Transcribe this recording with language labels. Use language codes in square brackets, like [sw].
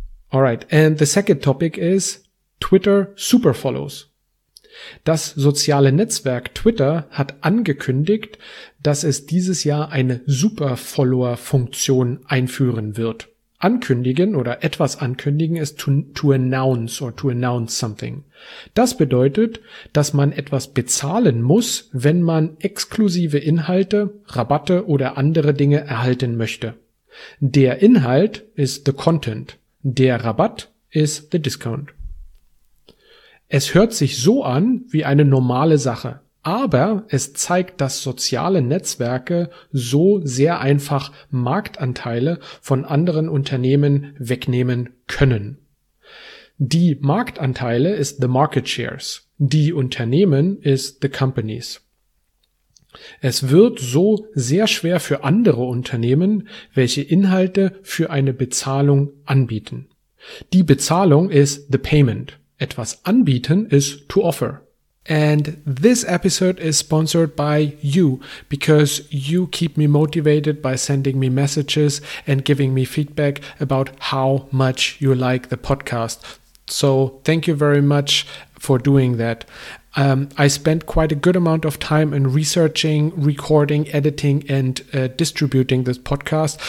[en] Alright, and the second topic is Twitter super follows. [de] Das soziale Netzwerk Twitter hat angekündigt, dass es dieses Jahr eine Super-Follower-Funktion einführen wird. Ankündigen oder etwas ankündigen ist [en] to announce or to announce something. [de] Das bedeutet, dass man etwas bezahlen muss, wenn man exklusive Inhalte, Rabatte oder andere Dinge erhalten möchte. Der Inhalt ist [en] the content, [de] der Rabatt ist [en] the discount. [de] Es hört sich so an wie eine normale Sache, aber es zeigt, dass soziale Netzwerke so sehr einfach Marktanteile von anderen Unternehmen wegnehmen können. Die Marktanteile ist [en] the market shares, [de] die Unternehmen ist [en] the companies. [de] Es wird so sehr schwer für andere Unternehmen, welche Inhalte für eine Bezahlung anbieten. Die Bezahlung ist [en] the payment. [de] Etwas anbieten [en] is to offer. And this episode is sponsored by you because you keep me motivated by sending me messages and giving me feedback about how much you like the podcast. So thank you very much for doing that. I spent quite a good amount of time in researching, recording, editing, and distributing this podcast.